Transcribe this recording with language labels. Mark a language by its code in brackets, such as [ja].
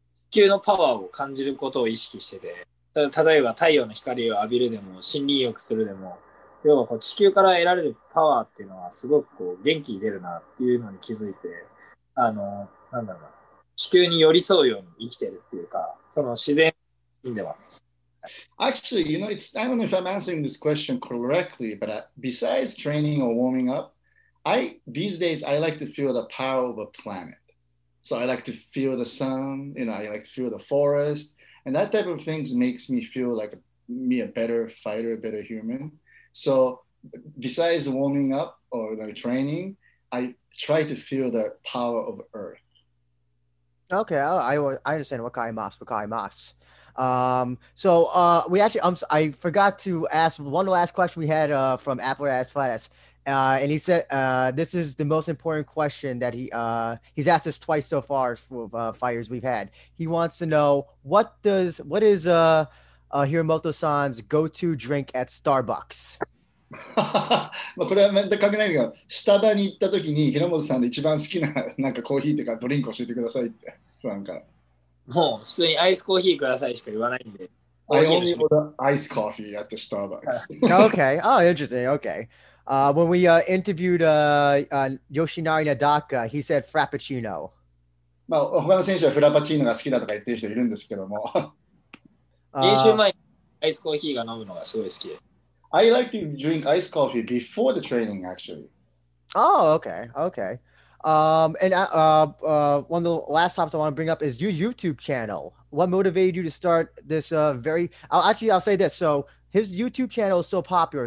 [ja] 地球のパワーを感じることを意識してて、例えば太陽の光を浴びるでも森林浴するでも、要はこう地球から得られるパワーっていうのはすごくこう元気出るなっていうのに気づいて、なんだろう、地球に寄り添うように生きてるっていうか、その自然にでます。 [en] Actually, you know, I don't know if I'm answering this question correctly, but besides training or warming upthese days, I like to feel the power of a planet. So I like to feel the sun, you know, I like to feel the forest, and that type of things makes me feel like me a better fighter, a better human. So besides warming up or like training, I try to feel the power of earth. Okay, I understand. [ja] Wakaimasu, wakaimasu. [en] I forgot to ask one last question we had from Apple Ass Flatass. And he said, this is the most important question that he's asked us twice so far for fighters we've had. He wants to know, what is Hiramoto-san's go-to drink at Starbucks? [ja] これは全く関係ないけど、スタバに行った時に平本さんの一番好きな、なんかコーヒーとかドリンク教えてくださいって、なんか。もう普通にアイスコーヒーくださいしか言わないんで。 [en] I only order iced coffee at the Starbucks. Okay. Oh, interesting. Okay. When we interviewed Yoshinari Nadaka, he said Frappuccino. Well, [ja] 他の選手はフラパチーノが好きだとか言ってる人いるんですけども。練習前にアイスコーヒーが飲むのがすごい好きです。 [en] I like to drink iced coffee before the training, actually. Oh, okay. Okay. One of the last topics I want to bring up is your YouTube channel. What motivated you to start this I'll say this. So his YouTube channel is so popular.